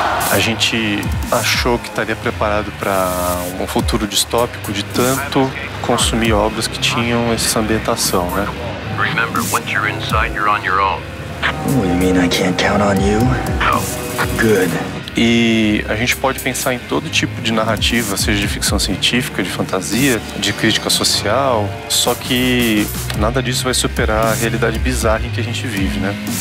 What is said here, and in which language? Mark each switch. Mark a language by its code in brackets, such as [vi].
[pt] A gente achou que estaria preparado para um futuro distópico de tanto consumir obras que tinham essa ambientação, né? [en] Remember, once you're inside, you're on your own. What do you mean I can't count on you? No. Good. [pt] E a gente pode pensar em todo tipo de narrativa, seja de ficção científica, de fantasia, de crítica social, só que nada disso vai superar a realidade bizarra em que a gente vive, né?